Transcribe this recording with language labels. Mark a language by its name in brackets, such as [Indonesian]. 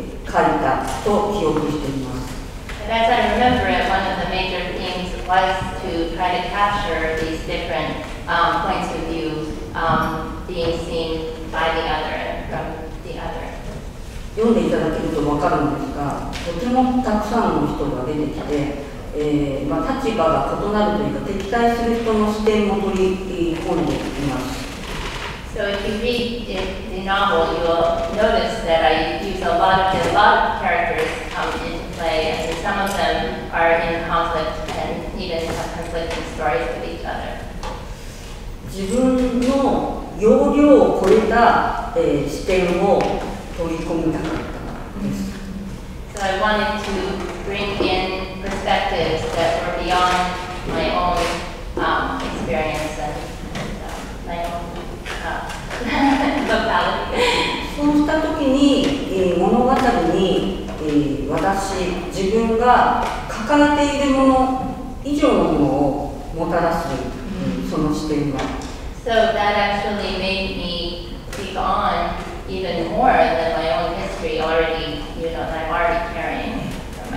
[English] And as I remember it, one of the major themes was to try to capture these different points of view being seen by the other and from the other. [Japanese] 読んでいただけると分かるんですが、とてもたくさんの人が出てきて、まあ、立場が異なるというか、敵対する人の視点も取り込んでいます。 [English] So if you read the novel, you will notice that I use a lot of characters in play, and some of them are in conflict and even have conflicting stories with each other. [Japanese] 自分の容量を超えた、視点を取り込みたかったんです。 [English] So I wanted to bring in perspectives that were beyond my own experience and my own. [Japanese] そうした時に、物語に、私自分が掲げているもの以上のものをもたらす、その視点は。 [English] So that actually made me take on even more than my own history already, you know, that I'm already carrying from my